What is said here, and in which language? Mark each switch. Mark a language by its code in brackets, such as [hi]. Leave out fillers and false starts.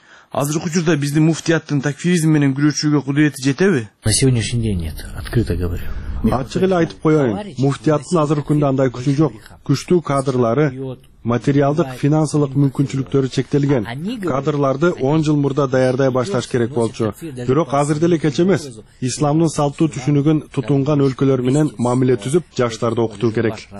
[ky] Азыркы учурда биздин муфтияттын такфиризм менен күрөшүүгө кудурети жетеби? [ru] На сегодняшний день нет, открыто говорю. [ky] Ачык эле айтып коеюн, муфтияттын азыркы күндө андай күчү жок. Күчтүү кадрлары, материалдык, финансылык мүмкүнчүлүктөрү чектелген. Кадрларды 10 жыл мурда даярдай башташ керек болчу. Бирок азыр деле кеч эмес. Исламдын салттуу түшүнүгүн тутунган өлкөлөр менен мамиле түзүп, жаштарды окутуу керек.